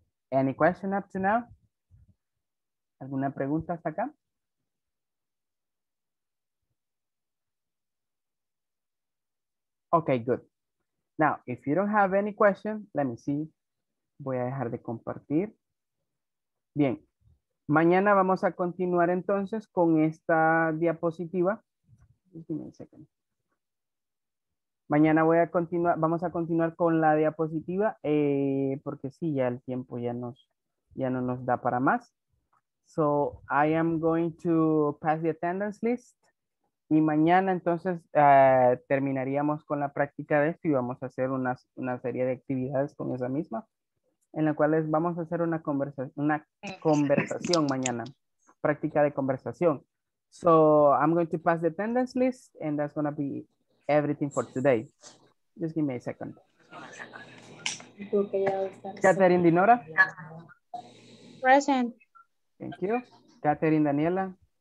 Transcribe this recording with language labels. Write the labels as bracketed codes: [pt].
[en] Any question up to now? [es] ¿Alguna pregunta hasta acá? [en] Ok, good. Now, if you don't have any question, let me see. [es] Voy a dejar de compartir. Bien. Mañana vamos a continuar entonces con esta diapositiva. Mañana voy a continuar, vamos a continuar con la diapositiva porque sí, ya el tiempo ya no nos da para más. [en] So I am going to pass the attendance list [es] y mañana entonces terminaríamos con la práctica de esto y vamos a hacer una serie de actividades con esa misma. En la cual vamos a hacer una conversación mañana, práctica de conversación. [en] So I'm going to pass the attendance list and that's going to be everything for today. Just give me a second. Catherine Dinora. Present. Thank you. Catherine Daniela.